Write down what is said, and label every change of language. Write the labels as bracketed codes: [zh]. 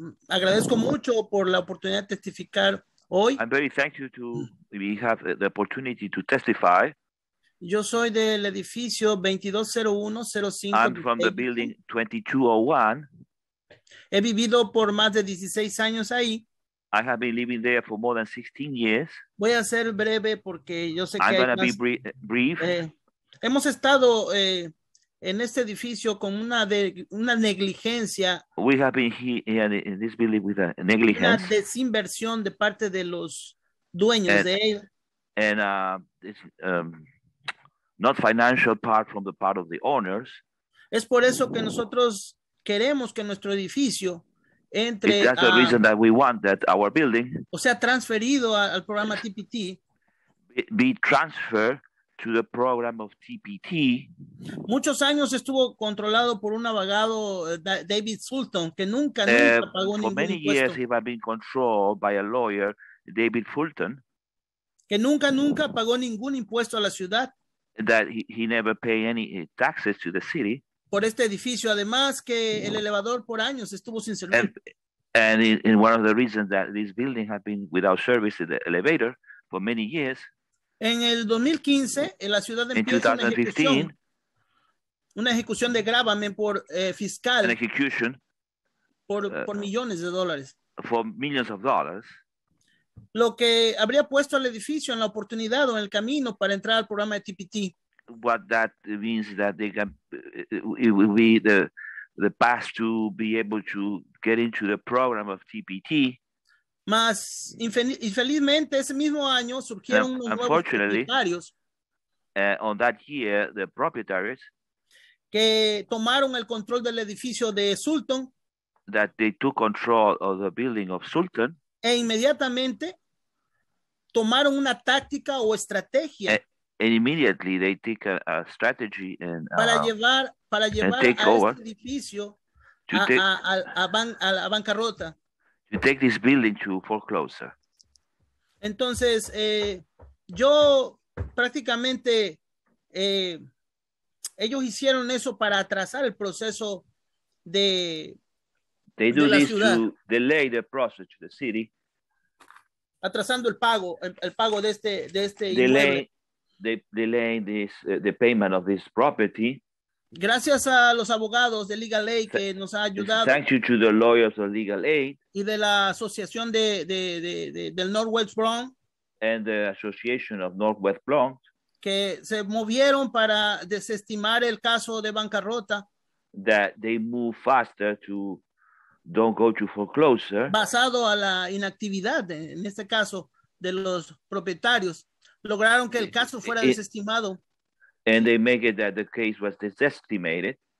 [es] Agradezco mucho por la oportunidad de testificar hoy. [en] I'm very thankful to have the opportunity to testify. [es] Yo soy del edificio 220105. [en] I'm from the building 2201. [es] He vivido por más de 16 años ahí. [en] I have been living there for more than 16 years. [es] Voy a ser breve porque yo sé [en] I'm [es] que... [en] I'm going to be brief. [es] Hemos estado... en este edificio con una negligencia. [en] We have been here in this building with a negligence. [es] Una desinversión de parte de los dueños de él. [en] And not financial part from the part of the owners. [es] Es por eso que nosotros queremos que nuestro edificio entre a... [en] That's the reason that we want that our building... [es] O sea, transferido al programa TPT. [en] Be transferred... to the program of TPT. [es] Muchos años estuvo controlado por un abogado, David Fulton, que nunca pagó ningún impuesto. [en] For many years he had been controlled by a lawyer, David Fulton. [es] Que nunca pagó ningún impuesto a la ciudad. [en] That he never paid any taxes to the city. [es] Por este edificio, además que el elevador por años estuvo sin servir. [en] And in one of the reasons that this building had been without service, the elevator, for many years. [es] En el 2015, en la ciudad de una ejecución de gravamen por fiscal. [en] An execution. [es] Por millones de dólares. [en] For millions of dollars. [es] Lo que habría puesto al edificio en la oportunidad o en el camino para entrar al programa de TPT. [en] What that means that they can, it will be the path to be able to get into the program of TPT. [es] Más infelizmente ese mismo año surgieron unos nuevos propietarios. [en] On that year, the proprietaries [es] que tomaron el control del edificio de Sultan. [en] That they took control of the building of Sultan. [es] E inmediatamente tomaron una táctica o estrategia. [en] And immediately they take a strategy and [es] para llevar [en] and take a over [es] este edificio a bancarrota. [en] You take this building to foreclosure. [es] Entonces, yo prácticamente, ellos hicieron eso para atrasar el proceso de la [en] They do this to delay the process to the city. [es] Atrasando el pago de este [en] delay, delaying this, the payment of this property. [es] Gracias a los abogados de Legal Aid que nos ha ayudado. [en] Thank you to the lawyers of Legal Aid. [es] Y de la asociación del Northwest Bronx. [en] And the Association of Northwest Bronx. [es] Que se movieron para desestimar el caso de bancarrota. [en] That they move faster to don't go to foreclosure. [es] Basado a la inactividad, en este caso, de los propietarios. Lograron que el caso fuera desestimado. [en] And they make it that the case was desestimated.